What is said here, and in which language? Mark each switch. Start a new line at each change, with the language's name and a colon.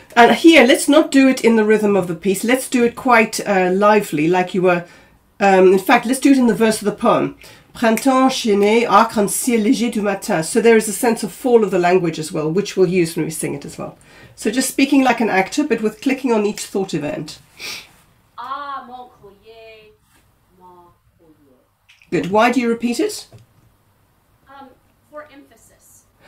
English: And here, let's not do it in the rhythm of the piece. Let's do it quite lively, like you were. In fact, let's do it in the verse of the poem.
French: Printemps enchaîné, arc-en-ciel léger du matin.
English: So there is a sense of fall of the language as well, which we'll use when we sing it as well. So just speaking like an actor, but with clicking on each thought event.
French: Ah, mon collier, mon collier.
English: Good. Why do you repeat it? For emphasis.